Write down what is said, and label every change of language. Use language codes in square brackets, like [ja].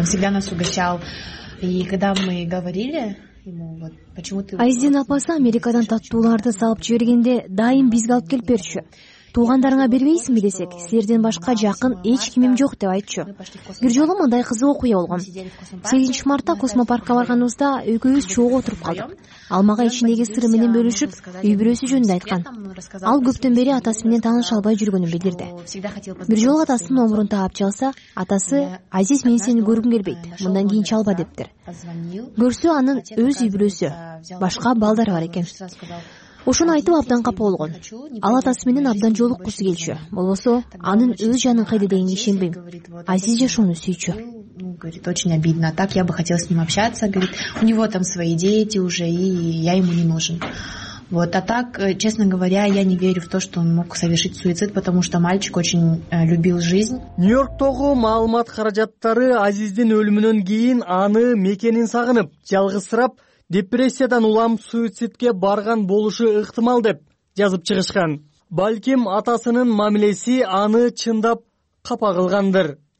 [ru] Он всегда нас угощал. И когда мы говорили ему, почему ты... [ky] Айзин апасы Америкадан таттууларды салып жибергенде дайым бизге алып келип берчү. Туугандарыңа бербейсиңби десек, силерден башка жакын эч кимим жок деп айтчу. Бир жолу мындай кызык окуя болгон. 8 мартта космопаркка барганыбызда экөөбүз чогуу отуруп калдык. Ал мага ичиндеги сыры менен бөлүшүп, үй бүлөсү жөнүндө айткан. Ал көптөн бери атасы менен тааныша албай жүргөнүн билдирди. Бир жолу атасынын номурун таап чалса, атасы: «Азиз, мен сени көргүм келбейт, мындан кийин чалба» дептир. Көрсө анын өз үй бүлөсү, башка балдары бар экен. Ошону айтып абдан капа болгон. Ал атасы менен абдан жолуккусу келчү, болбосо анын өз жанын кайда дегенге ишенбейм. Азиз жашоону сүйчү. [ru] Говорит, очень обидно. Так я бы хотела с ним общаться. Говорит, у него там свои дети уже, и я ему не нужен. Вот, а так, честно говоря, я не верю в то, что он мог совершить суицид, потому что мальчик очень любил жизнь. [ky] Нью-Йорктогу маалымат каражаттары Азиздин өлүмүнөн кийин аны мекенин сагынып, жалгызсырап, депрессиядан улам суицидке барган болушу ыктымал деп жазып чыгышкан. Балким атасынын мамилеси аны чындап капа кылгандыр.